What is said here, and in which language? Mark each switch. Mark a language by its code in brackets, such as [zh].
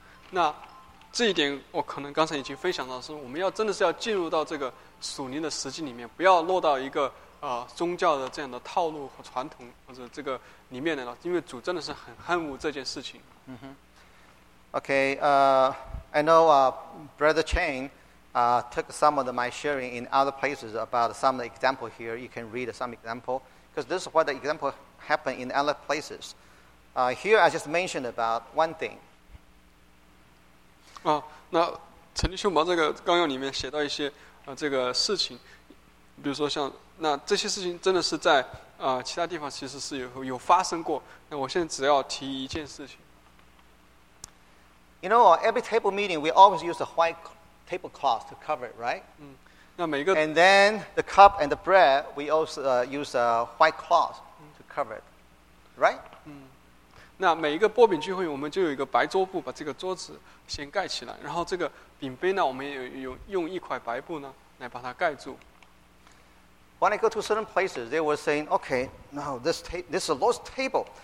[zh] 那这一点我可能刚才已经分享到，是我们要真的是要进入到这个属灵的实际里面，不要落到一个宗教的这样的套路和传统或者这个里面的了，因为主真的是很恨恶这件事情。 [en] I know Brother Chang took some of my sharing in other places about some example here. You can read some example because this is what the example happened in other places. Here I just mentioned about one thing. [zh] 那陈立兄把这个纲要里面写到一些这个事情，比如说像那这些事情真的是在其他地方其实是有发生过。那我现在只要提一件事情。 [en] You know, every table meeting we always use a white tablecloth to cover it, right? [zh] 那每个。 [en] And then the cup and the bread we also use a white cloth to cover it, right? [zh] 那每一个薄饼聚会我们就有一个白桌布把这个桌子先盖起来，然后这个饼杯呢我们也有用一块白布呢来把它盖住。 [en] When I go to certain places, they were saying, okay, now this is the Lord's table.